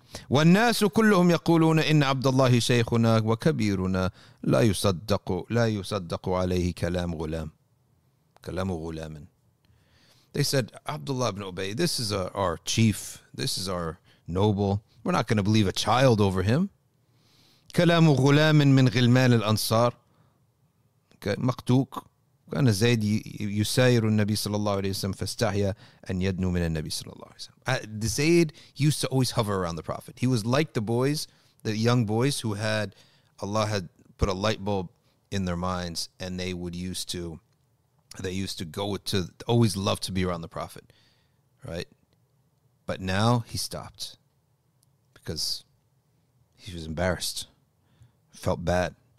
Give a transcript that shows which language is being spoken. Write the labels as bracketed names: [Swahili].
[Arabic] وَالنَّاسُ كُلُّهُمْ يَقُولُونَ إِنَّ عَبْدَ اللَّهِ شَيْخُنَا وَكَبِيرُنَا لَا يُصَدَّقُ عَلَيْهِ كَلَامُ غُلَامٍ. كَلَامُ غُلَامٍ. [English] They said, Abdullah ibn Ubay, this is our chief, this is our noble. We're not going to believe a child over him. [Arabic] كَلَامُ غُلَامٍ مِنْ غِلْمَانِ الْأَنصَارِ. مقتوك كان زيد يساير النبي صلى الله عليه وسلم فاستحيا أن يدنو من النبي صلى الله عليه وسلم. [English] Zayd used to always hover around the Prophet. He was like the boys, the young boys who had Allah had put a light bulb in their minds, and they used to go to always love to be around the Prophet, right? But now he stopped because he was embarrassed, felt bad.